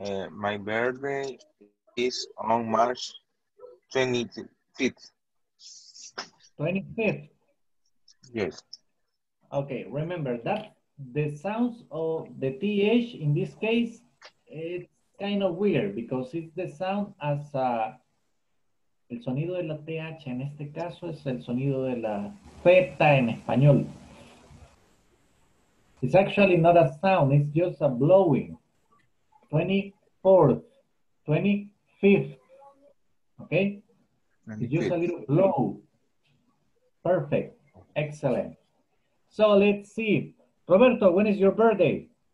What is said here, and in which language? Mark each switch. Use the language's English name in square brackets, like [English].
[English] My birthday is on March 25th. 25th? Yes. Okay, remember that the sounds of the TH in this case, it's kind of weird because it's the sound as a... [Spanish] El sonido de la TH en este caso es el sonido de la feta en español. [English] It's actually not a sound, it's just a blowing. 24th, 25th, okay? 25th. It's just a little blow. Perfect, excellent. So let's see. Roberto, when is your birthday?